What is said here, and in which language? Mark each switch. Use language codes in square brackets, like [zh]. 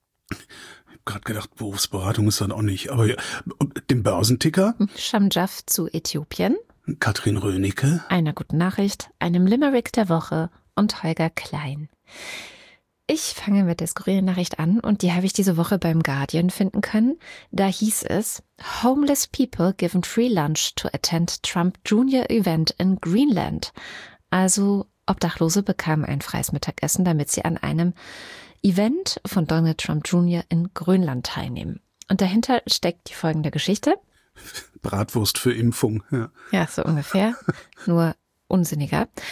[de] Ich habe gerade gedacht, Berufsberatung ist dann auch nicht. Aber ja, dem Börsenticker. Shamjaf zu Äthiopien. Katrin Rönicke. Einer guten Nachricht, einem Limerick der Woche und Holger Klein. Ich fange mit der skurrilen Nachricht an und die habe ich diese Woche beim Guardian finden können. Da hieß es, [en] homeless people given free lunch to attend Trump Junior Event in Greenland. [de] Also Obdachlose bekamen ein freies Mittagessen, damit sie an einem Event von Donald Trump Junior in Grönland teilnehmen. Und dahinter steckt die folgende Geschichte. Bratwurst für Impfung. Ja, so ungefähr. Nur unsinniger.